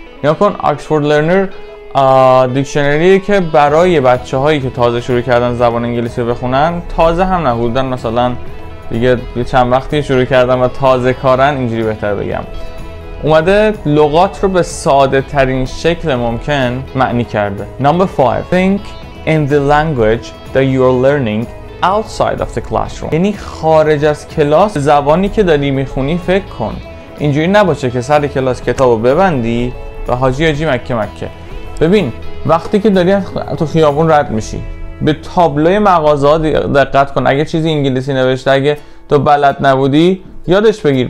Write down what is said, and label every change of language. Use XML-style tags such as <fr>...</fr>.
<fa>یا کن آکسفورد لرنر دیکشنریه که برای بچه هایی که تازه شروع کردن زبان انگلیسی بخونن، تازه هم نه، حدودن مثلا دیگه یه چند وقتی شروع کردن و تازه کارن، اینجوری بهتر بگم، اومده لغات رو به ساده ترین شکل ممکن معنی کرده.</fa> <en>Number 5. Think in the language that you're learning outside of the classroom.</en> <fa>یعنی خارج از کلاس زبانی که داری میخونی فکر کن. اینجوری نباشه که سر کلاس کتابو ببندی و حاجی حاجی مکه مکه. ببین، وقتی که داری تو خیابون رد میشی، به تابلوی مغازه دقت کن. اگه چیزی انگلیسی نوشته، اگه تو بلد نبودی یادش بگیر.</fa>